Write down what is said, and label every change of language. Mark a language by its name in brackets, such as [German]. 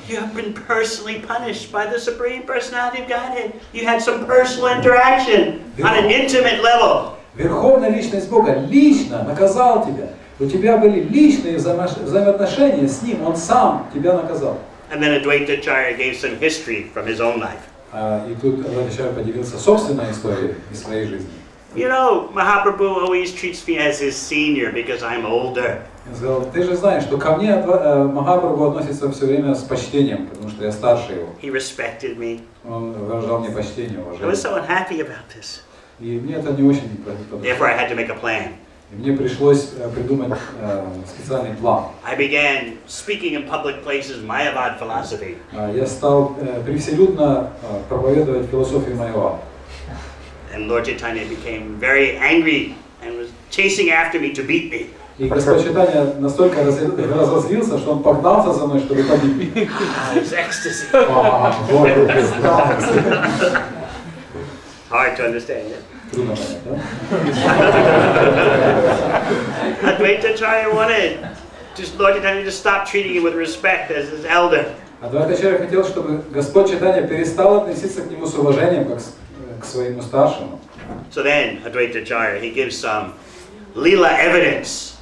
[English] You have been personally punished by the Supreme Personality of Godhead. You had some personal interaction on an intimate level. [Russian] Верховная личность Бога лично наказал тебя. У тебя были личные взаимоотношения с ним, он сам тебя наказал. [English] And then Advaita Acharya gave some history from his own life. [Russian] И тут Advaita Acharya поделился собственной историей из своей жизни. [English] You know, Mahaprabhu always treats me as his senior because I'm older. [Russian] Он сказал, ты же знаешь, что ко мне Махапрабху относится все время с почтением, потому что я старше его. [English] He respected me. [Russian] Он выражал мне почтение, уважение. [English] I was so unhappy about this. [Russian] И мне это не очень подошло. [English] Therefore, I had to make a plan. [Russian] И мне пришлось придумать специальный план. [English] I began speaking in public places Mayavad philosophy. [Russian] Я стал превселюдно проповедовать философию Майявад. [English] And Lord Chaitanya became very angry and was chasing after me to beat me. [Russian] И Господь Чайтанья настолько разозлился, что он погнался за мной, чтобы побить меня. [English] It's ecstasy. [Russian] Вот это экстаз. [English] Hard to understand, yeah? [Russian] Трудно понять, да? [English] Advaita Charya wanted just Lord Chaitanya to stop treating him with respect as his elder. [Russian] Advaita Charya хотел, чтобы Господь Чайтанья перестал относиться к нему с уважением, как к своему старшему. [English] So then, Advaita Charya, he gives some lila evidence.